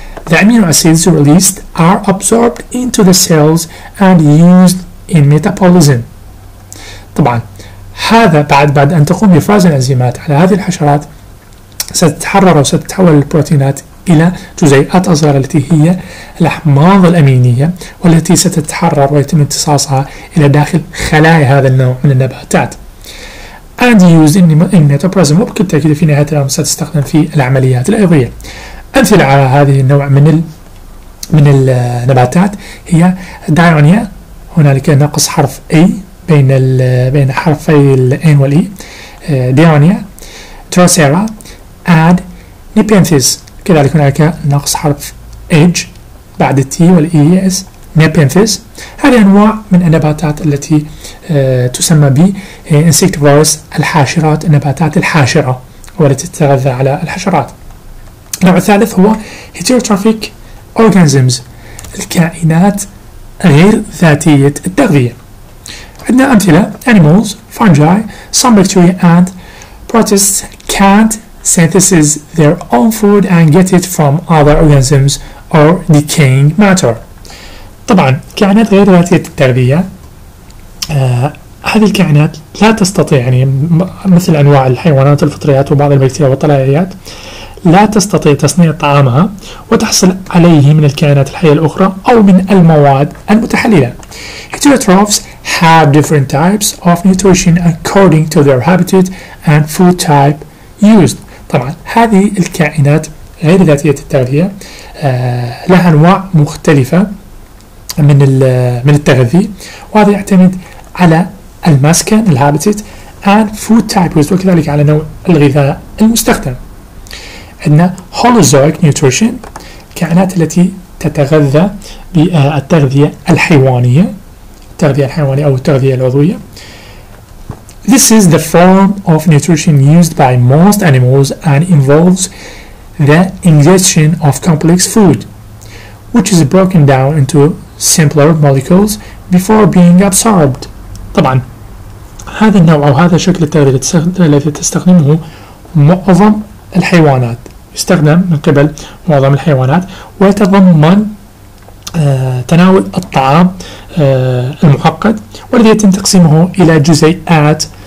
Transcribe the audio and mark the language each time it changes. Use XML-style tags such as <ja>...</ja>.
<en>The amino acids released are absorbed into the cells and used in metabolism.</en> <ar>طبعا هذا بعد أن تقوم بإفراز الانزيمات على هذه الحشرات ستتحرر وستتحول البروتينات إلى جزيئات أصغر التي هي الأحماض الأمينية، والتي ستتحرر ويتم امتصاصها إلى داخل خلايا هذا النوع من النباتات.</ar> <en>And used in metabolism.</en> <ar>وبكل تأكيد في نهاية الأمر ستستخدم في العمليات الأيضية. أمثلة على هذه النوع من النباتات هي دايونيا، هنالك نقص حرف أي بين حرفي الأين والإي، دايونيا، تروسيرا، and نيبينثيس. كذلك هناك نقص حرف H بعد T والES، نيبينثيس. هذه أنواع من النباتات التي تسمى ب insectivores، الحاشرات، النباتات الحاشرة والتي تتغذى على الحشرات. النوع الثالث هو heterotrophic organisms، الكائنات غير ذاتية التغذية. عندنا أمثلة</ar> <en>animals, fungi, some bacteria and protists can't synthesis their own food and get it from other organisms or decaying matter.</en> <ar>طبعا كائنات غير ذاتية التغذية هذه الكائنات لا تستطيع، يعني مثل أنواع الحيوانات الفطريات وبعض البكتيريا والطلاعيات، لا تستطيع تصنيع طعامها وتحصل عليه من الكائنات الحية الأخرى أو من المواد المتحللة.</ar> <en>Heterotrophs have different types of nutrition according to their habitat and food type used.</en> <ar>طبعا هذه الكائنات غير ذاتية التغذية لها أنواع مختلفة من التغذي، وهذا يعتمد على المسكن الهابيتات</ar> <en>and food types</en> <ar>وكذلك على نوع الغذاء المستخدم. عندنا holozoic nutrition الكائنات التي تتغذى بالتغذية الحيوانية أو التغذية العضوية.</ar> <en>This is the form of nutrition used by most animals and involves the ingestion of complex food, which is broken down into simpler molecules before being absorbed.</en> <ar>طبعا هذا النوع أو هذا شكل التغذية الذي تستخدمه معظم الحيوانات يستخدم من قبل معظم الحيوانات ويتضمن تناول الطعام المعقد والذي يتم تقسيمه إلى جزيئات</ar>